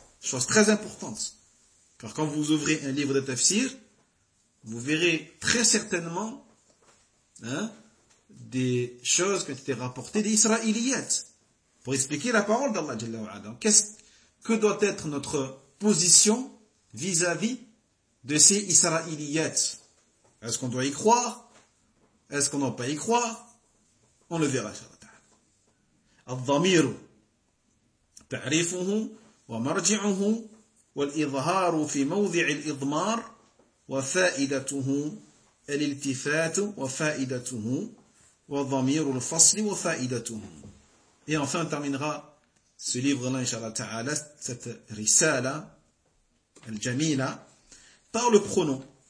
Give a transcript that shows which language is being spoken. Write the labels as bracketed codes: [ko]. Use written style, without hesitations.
[fr] Chose très importante, car quand vous ouvrez un livre de tafsir, vous verrez très certainement des choses qui ont été rapportées des Israéliyats pour expliquer la parole d'Allah Jalla wa'ala. Donc, que doit être notre position vis-à-vis de ces Israéliyats? Est-ce qu'on doit y croire? Est-ce qu'on ne doit pas y croire? On le verra. [ar] الضمير تعريفه ومرجعه والإظهار في موضع الإضمار وفائدته الالتفات وفائدته وضمير الفصل وفائدته. [fr] Et enfin, on terminera ce livre là, inshallah ta'ala, cette risala al-jamila, par le pronom.